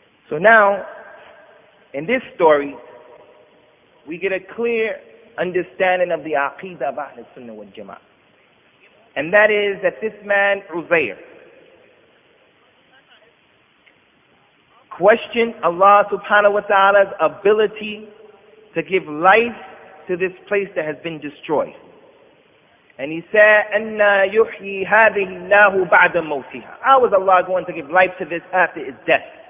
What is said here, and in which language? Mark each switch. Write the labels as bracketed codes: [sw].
[en] So now, in this story, we get a clear understanding of the aqidah of Ahl al-Sunnah wal Jama'ah. And that is that this man, Uzair, questioned Allah subhanahu wa ta'ala's ability to give life to this place that has been destroyed. [ar] And he said, أَنَّا يُحْيِي هَذِهِ اللَّهُ بَعْدَ مَوْتِهَا. [en] How is Allah going to give life to this after its death?